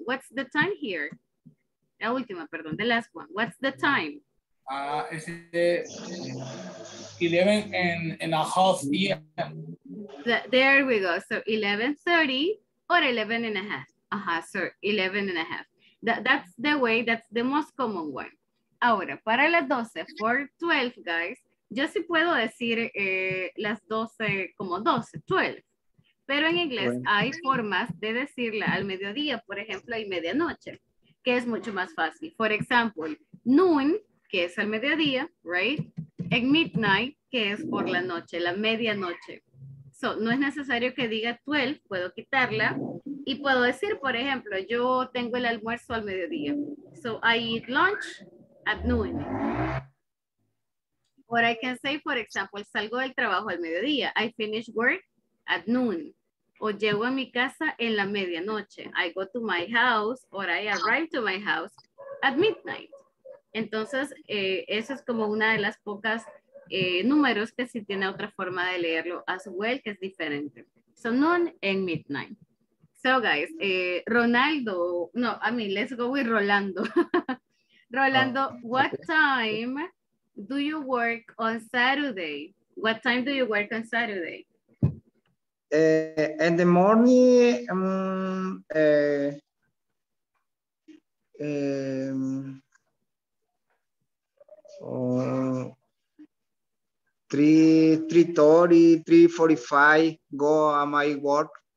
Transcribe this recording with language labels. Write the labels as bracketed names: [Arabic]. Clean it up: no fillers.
[English] What's the time here? [Spanish] La última, perdón, [English] the last one. What's the time? Is it 11:30 a.m. There we go. So 11:30 or 11:30. Uh-huh, so 11:30. That's the way, that's the most common one. [Spanish] Ahora, para las 12, 4:12, guys, yo sí puedo decir las 12 como 12, 12. Pero en inglés hay formas de decirla al mediodía, por ejemplo, y medianoche, que es mucho más fácil. [English] For example, noon, [Spanish] que es al mediodía, [English] right? [Spanish] And midnight, que es por la noche, la medianoche. So, no es necesario que diga 12, puedo quitarla. Y puedo decir, por ejemplo, yo tengo el almuerzo al mediodía. [English] So I eat lunch at noon. Or I can say, for example, [Spanish] salgo del trabajo al mediodía. [English] I finish work at noon. [Spanish] O llego a mi casa en la medianoche. [English] I go to my house or I arrive to my house at midnight. [Spanish] Entonces, esa es como una de las pocas números que sí tiene otra forma de leerlo [English] as well, [Spanish] que es diferente. [English] So noon and midnight. So guys, Ronaldo, no, I mean, let's go with Rolando. Rolando, oh, what time do you work on Saturday? What time do you work on Saturday? In the morning, three thirty, 3:45, go on my work.